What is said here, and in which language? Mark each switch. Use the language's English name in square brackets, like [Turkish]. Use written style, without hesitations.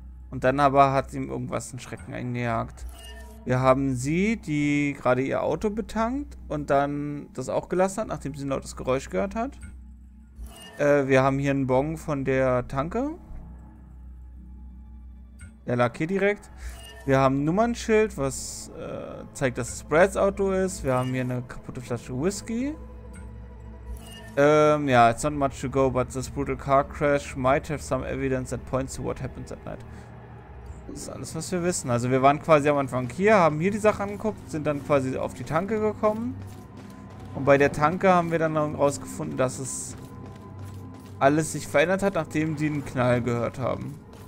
[German] Und dann aber hat ihm irgendwas einen Schrecken eingejagt. Wir haben sie, die gerade ihr Auto betankt und dann das auch gelassen hat, nachdem sie ein lautes Geräusch gehört hat. Wir haben hier einen Bon von der Tanke. Der lag hier direkt. Wir haben ein Nummernschild, was zeigt, dass es Brads Auto ist. Wir haben hier eine kaputte Flasche Whisky. [English] Ja, it's not much to go, but this brutal car crash might have some evidence that points to what happened that night. [German] Das ist alles, was wir wissen. Also wir waren quasi am Anfang hier, haben hier die Sachen angeguckt, sind dann quasi auf die Tanke gekommen. Und bei der Tanke haben wir dann herausgefunden, dass es alles sich verändert hat, nachdem die einen Knall gehört haben.